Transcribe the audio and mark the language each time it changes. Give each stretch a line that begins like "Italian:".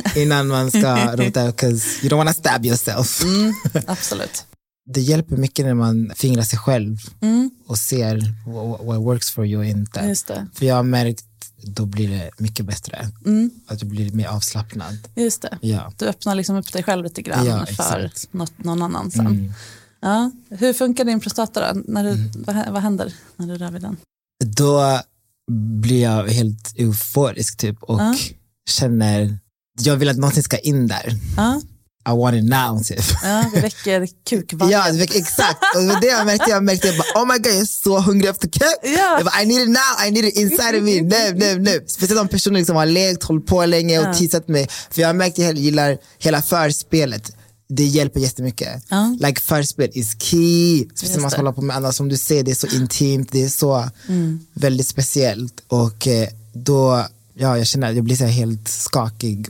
Swedish: Innan man ska rota,
English: 'cause you don't want to stab yourself.
Swedish: Absolut. Det hjälper mycket när man fingrar sig själv och ser
English: what works for you
Swedish: och inte. Just det. För jag har märkt, då blir det mycket bättre. Mm. Att du blir mer avslappnad. Just det. Ja. Du öppnar liksom upp dig själv lite grann för någon annan sen. Ja. Hur funkar din prostata då? När du, vad händer när du rör vid den? Då blir jag helt euforisk typ och känner, jag vill att någonting ska in där.
English: I want it now, typ.
Swedish: Ja, det väcker kukvagn. Ja, det väcker, exakt. Och det var det jag märkte. Jag bara,
English: oh my god,
Swedish: jag är så hungrig efter kuk. Ja. Jag bara,
English: I need it now, I need it inside of me.
Swedish: Nu. Speciellt om personer liksom har lekt, hållit på länge och teasat mig. För jag har märkt att jag gillar hela förspelet. Det hjälper jättemycket. Ja.
English: Like, förspel is key.
Swedish: Speciellt om man ska hålla på med andra. Som du ser, det är så intimt. Det är så väldigt speciellt. Och då, ja, jag känner att jag blir så helt skakig.